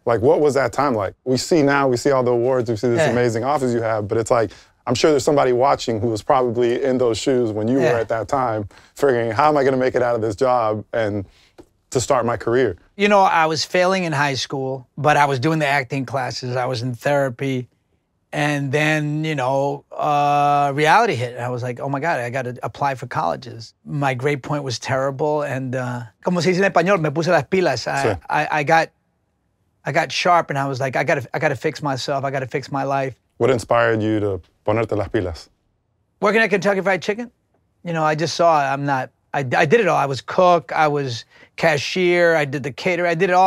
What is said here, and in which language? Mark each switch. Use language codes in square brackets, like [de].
[en] Like, what was that time like? We see all the awards, we see this amazing office you have, but it's like, I'm sure there's somebody watching who was probably in those shoes when you were at that time, figuring, how am I going to make it out of this job and to start my career? You know, I was failing in high school, but I was doing the acting classes. I was in therapy. And then, you know, reality hit. I was like, oh, my God, I got to apply for colleges. My grade point was terrible. [es] And como se dice en español, me puse las pilas. [en] I got sharp and I was like, I got to fix myself. I got to fix my life. What inspired you to [es] ponerte las pilas? [en] Working at Kentucky Fried Chicken? You know, I just saw I'm not I did it all. I was cook, I was cashier, I did the catering, I did it all.